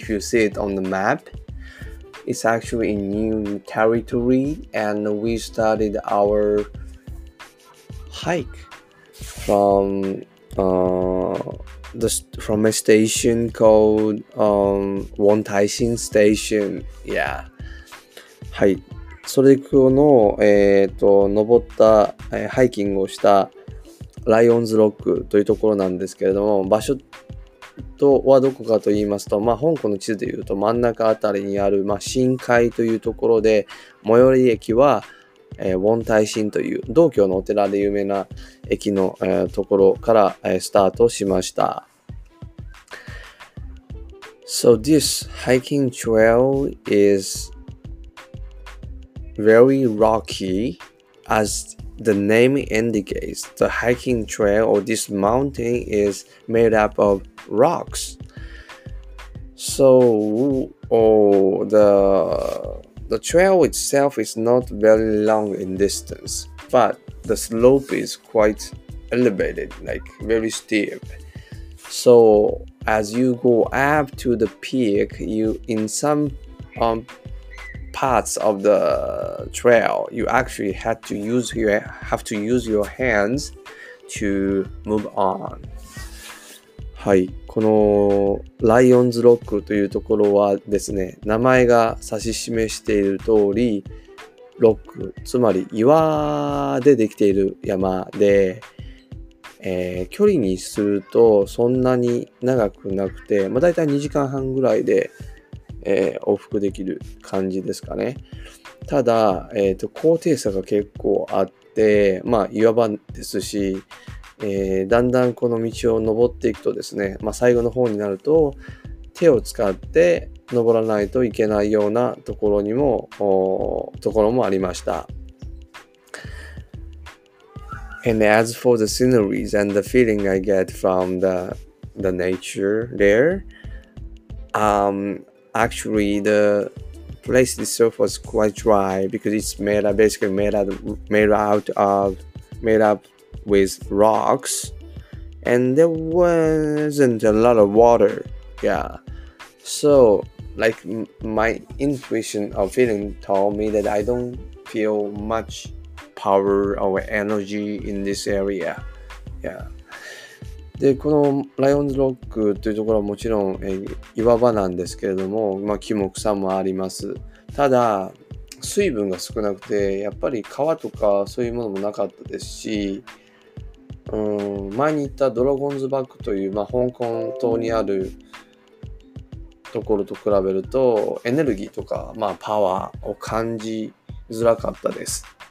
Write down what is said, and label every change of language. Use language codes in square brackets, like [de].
[en] If you see it on the map, it's actually in new territory. And we started our hike from a station called Wong Tai Sin Station. Yeah. [ja] はい。それこの登った、ハイキングをしたライオンズロックというところなんですけれども、場所とはどこかと言いますと、まあ、香港の地図で言うと真ん中あたりにある、まあ、深海というところで、最寄り駅は、ウォンタイシンという、道教のお寺で有名な駅の、ところから、スタートしました。 [en] So this hiking trail is very rocky as The name indicates the hiking trail or this mountain is made up of rocks. So, the trail itself is not very long in distance, but the slope is quite elevated, like very steep. So, as you go up to the peak, you in some parts of the trail, you actually have to use your hands to move on. [ja] はい、このライオンズロックというところはですね、名前が指し示している通り、ロック、つまり岩でできている山で、距離にするとそんなに長くなくて、まあ、だいたい2時間半ぐらいで往復できる感じですかね。ただ、高低差が結構あって、まあ岩場ですし、だんだんこの道を登っていくとですね、まあ最後の方になると手を使って登らないといけないようなところにも、ところもありました。 [en] And as for the sceneries and the feeling I get from the nature there, Actually, the place itself was quite dry because it's made up with rocks, and there wasn't a lot of water. Yeah, so like my intuition or feeling told me that I don't feel much power or energy in this area. Yeah. [ja] で、このライオンズロックというところはもちろん、岩場なんですけれども、まあ、木も草もあります。ただ、水分が少なくて、やっぱり川とかそういうものもなかったですし、前に行ったドラゴンズバックという、まあ、香港島にあるところと比べると、エネルギーとか、まあ、パワーを感じづらかったです。